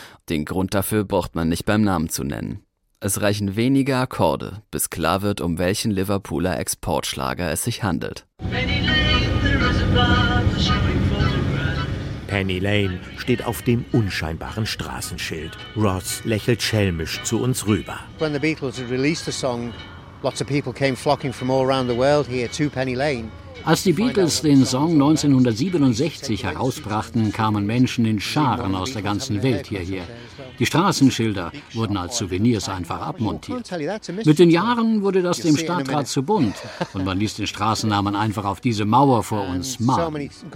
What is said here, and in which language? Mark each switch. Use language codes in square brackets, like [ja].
[de] Den Grund dafür braucht man nicht beim Namen zu nennen. Es reichen wenige Akkorde, bis klar wird, um welchen Liverpooler Exportschlager es sich handelt. Penny Lane steht auf dem unscheinbaren Straßenschild. Ross lächelt schelmisch zu uns rüber. [en] When the Beatles had released the song, lots of people came flocking from all around the world here to Penny Lane. [de] Als die Beatles den Song 1967 herausbrachten, kamen Menschen in Scharen aus der ganzen Welt hierher. Die Straßenschilder wurden als Souvenirs einfach abmontiert. Mit den Jahren wurde das dem Stadtrat zu bunt und man ließ den Straßennamen einfach auf diese Mauer vor uns malen.